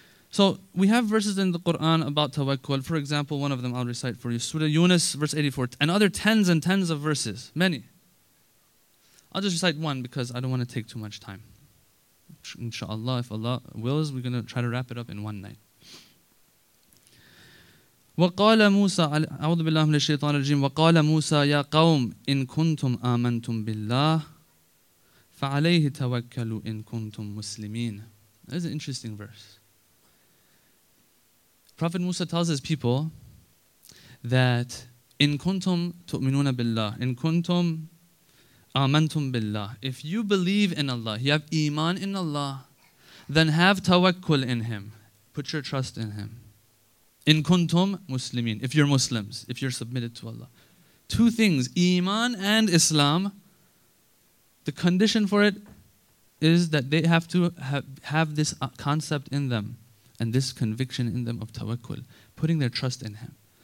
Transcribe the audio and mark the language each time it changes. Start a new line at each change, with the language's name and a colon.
English: So we have verses in the Qur'an about tawakkul. For example, one of them I'll recite for you, Surah Yunus, verse 84, and other tens and tens of verses, many. I'll just recite one because I don't want to take too much time. Inshallah, if Allah wills, we're going to try to wrap it up in one night.
Arabic: وقال موسى أعوذ بالله من الشيطان الرجيم وقال موسى يا قوم إن كنتم آمنتم بالله فعليه توكلوا إن كنتم مسلمين.
English: That is an interesting verse. Prophet Musa tells his people that
Arabic: إن كنتم تؤمنون بالله إن كنتم آمنتم بالله.
English: If you believe in Allah, you have iman in Allah, then have tawakkul in Him. Put your trust in Him.
Arabic: In kuntum muslimin,
English: if you're Muslims, if you're submitted to Allah. Two things, iman and Islam. The condition for it is that they have to have this concept in them and this conviction in them of tawakkul, putting their trust in Him.